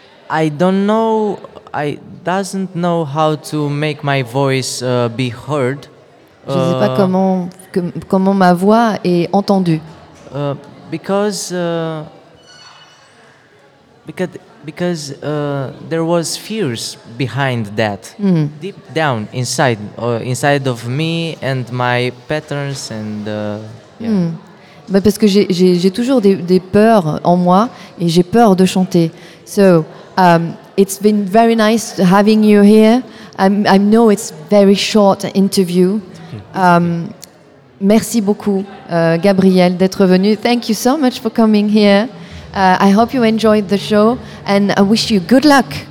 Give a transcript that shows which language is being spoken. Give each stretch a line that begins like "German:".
English: I doesn't know how to make my voice be heard.
French: Je sais pas comment ma voix est entendue.
English: Because there was fears behind that, deep down inside of me and my patterns and yeah. Mm.
French: Bah parce que j'ai toujours des peurs en moi et j'ai peur de chanter.
English: So it's been very nice having you here. I know it's very short interview.
French: Merci beaucoup, Gabriel, d'être venu.
English: Thank you so much for coming here. I hope you enjoyed the show and I wish you good luck.